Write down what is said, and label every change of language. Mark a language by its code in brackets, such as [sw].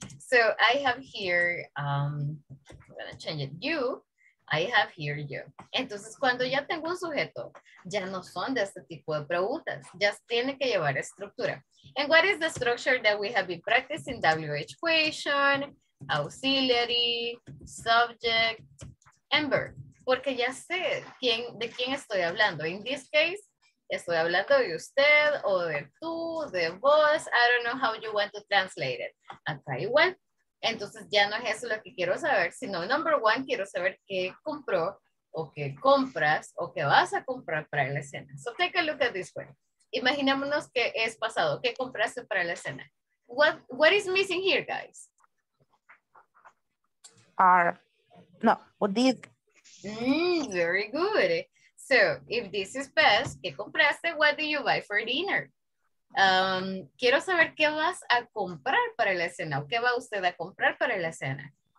[en] So I have here, I'm gonna change it, you. I have here you. [es] Entonces, cuando ya tengo un sujeto, ya no son de este tipo de preguntas. Ya tiene que llevar estructura. [en] And what is the structure that we have been practicing? WH question, auxiliary, subject, and verb. [es] Porque ya sé quién, de quién estoy hablando. [en] In this case, [es] estoy hablando de usted o de tú, de vos. [en] I don't know how you want to translate it. [es] Acá igual. Entonces ya no es eso lo que quiero saber, sino [en] number one, [es] quiero saber qué compró o qué compras o qué vas a comprar para la cena. [en] So take a look at this one. [es] Imaginémonos que es pasado, qué compraste para la cena. [en] What is missing here, guys? Very good. So if this is past, [es] qué compraste, [en] what do you buy for dinner? [es] Quiero saber qué vas a comprar para la cena o qué va usted a comprar para la cena.